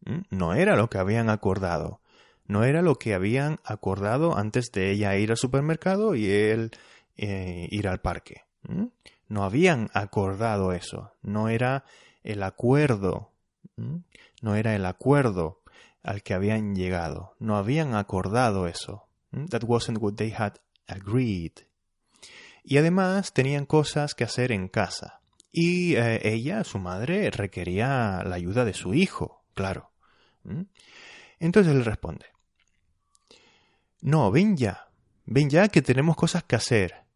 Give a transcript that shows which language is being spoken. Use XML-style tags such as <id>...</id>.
<es>No era lo que habían acordado. No era lo que habían acordado antes de ella ir al supermercado y él ir al parque. No habían acordado eso. No era el acuerdo. No era el acuerdo al que habían llegado. No habían acordado eso.</es> <en>That wasn't what they had agreed.</en> <es>Y además tenían cosas que hacer en casa. Y ella, su madre, requería la ayuda de su hijo, claro. Entonces le responde. No, ven ya que tenemos cosas que hacer.</es>